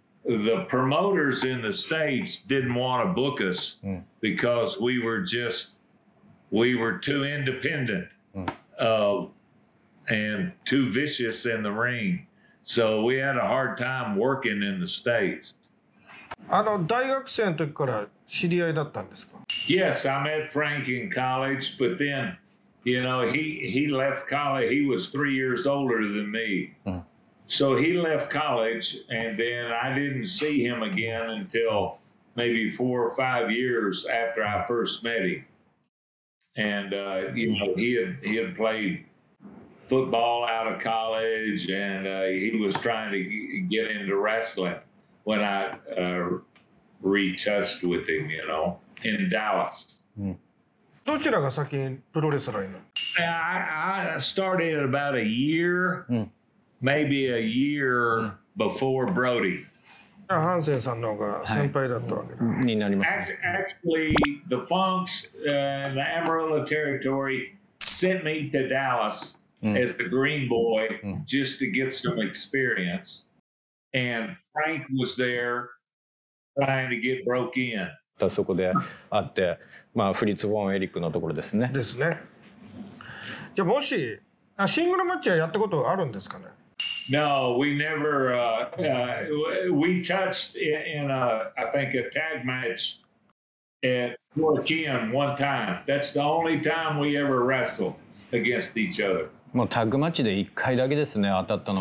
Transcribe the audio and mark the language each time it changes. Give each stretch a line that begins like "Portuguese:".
English: The promoters in the States didn't want to book us because we were too independent and too vicious in the ring. So we had a hard time working in the States.
Japanese: あの大学生の時から知り合いだったんですか？
English: Yes, I met Frank in college, but then, you know, he left college. He was 3 years older than me. So he left college, and then I didn't see him again until maybe 4 or 5 years after I first met him. And, you know, he had played football out of college, and he was trying to get into wrestling. When I retouched with him, you know, in Dallas.
Japanese: どちらが先にプロレスラーになる？
English: I started about a year, maybe a year before Brody.
Japanese: ハンセンさんの方が先輩だったわけだ。になります。
English: Actually, the Funks and the Amarillo Territory sent me to Dallas as the green boy just to get some experience. And Frank was there trying to get broke in.
Japanese: そこで会って、まあ、フリッツ・フォン・エリックのところですね。ですね。じゃあもし、シングルマッチはやったことあるんですかね？
English: No, we never... we touched in a, I think, a tag match at 4KM one time. That's the only time we ever wrestled against each other.
Japanese: もうタッグマッチで1回だけですね、当たったのは。